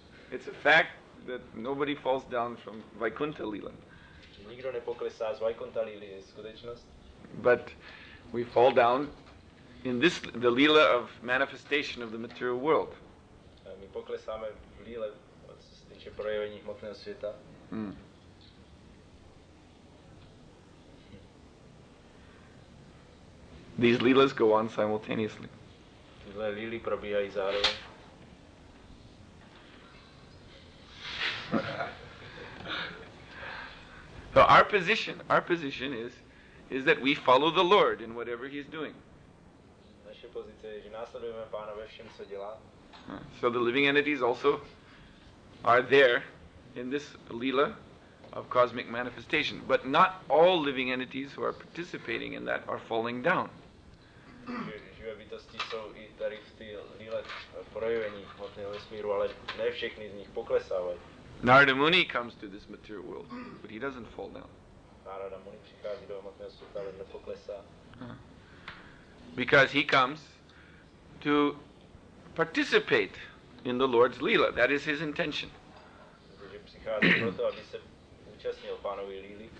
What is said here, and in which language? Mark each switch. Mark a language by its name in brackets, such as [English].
[English] It's a fact that nobody falls down from Vaikuntha Leela. [Czech] Nikdo nepoklesá z Vaikuntha Leely, je skutečnost. [English] But we fall down in this, the Leela of manifestation of the material world. [Czech] A my poklesáme v Leele, co se týče projevení hmotného světa. [English] These Leelas go on simultaneously. [Czech] Tyhle Leely probíhají zároveň. [English] So our position is that we follow the Lord in whatever he's doing. [Czech] Naše pozice je, že následujeme Pána ve všem, co dělá. [English] So the living entities also are there in this Leela of cosmic manifestation, but not all living entities who are participating in that are falling down. [Czech] Živé bytosti jsou i tady v té Leele projevení hmotného vesmíru, ale ne všechny z nich poklesávají. [English] Narada Muni comes to this material world, but he doesn't fall down. [Czech] Narada Muni přichází do hmotného světa, ale nepoklesá. [English] Because he comes to participate in the Lord's Leela. That is his intention. [Czech] Protože přichází proto, aby se účastnil Pánovy Leely.